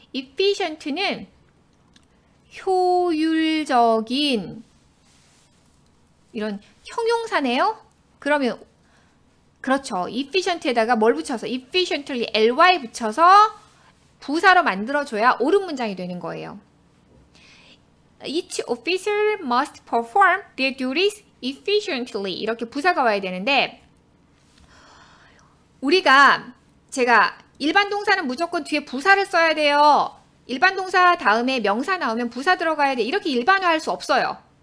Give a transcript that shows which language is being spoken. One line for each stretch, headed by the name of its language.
Korean: efficient는 효율적인 이런 형용사네요. 그러면 그렇죠. efficient에다가 뭘 붙여서 efficiently, ly 붙여서 부사로 만들어줘야 옳은 문장이 되는 거예요.
English: Each officer must perform their duties efficiently.
Korean: 이렇게 부사가 와야 되는데 우리가 제가 일반 동사는 무조건 뒤에 부사를 써야 돼요. 일반 동사 다음에 명사 나오면 부사 들어가야 돼. 이렇게 일반화할 수 없어요.